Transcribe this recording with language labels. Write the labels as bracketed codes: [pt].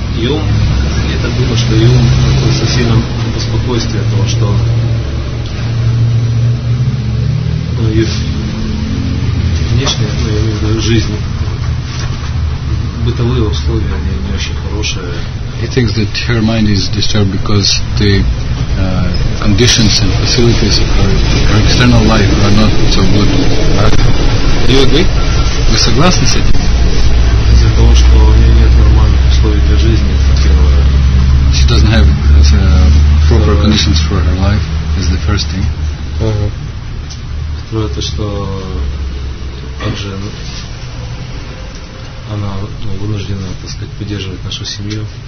[ru] Ум, я так думаю, что ум находится в сильном беспокойстве о том, что внешняя, я имею в виду жизнь, бытовые условия, они не очень хорошие. [en] he thinks that her mind is disturbed because the conditions and facilities of her external life are not so good. Do you agree? [ru] Вы согласны с этим? Из-за того, что у нее нет нормальных условий для жизни, это первое. [en] She doesn't have proper conditions for her life, is the first thing. [ru] Второе, то, что также она вынуждена, так сказать, поддерживать нашу семью.